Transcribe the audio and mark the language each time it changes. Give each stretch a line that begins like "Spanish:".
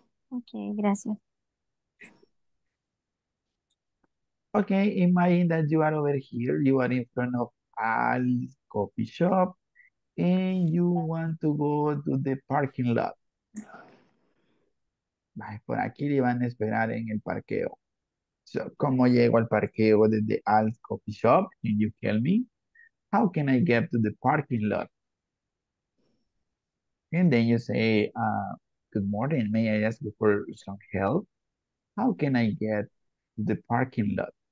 Spanish: Okay, gracias.
English: Okay, imagine that you are over here. You are in front of Al coffee shop and you want to go to the parking lot.
Spanish: Por aquí le van a esperar en el parqueo. So, ¿cómo llego al parqueo desde Al coffee shop?
English: Can you tell me? How can I get to the parking lot? And then you say, good morning. May I ask you for some help? How can I get to the parking lot?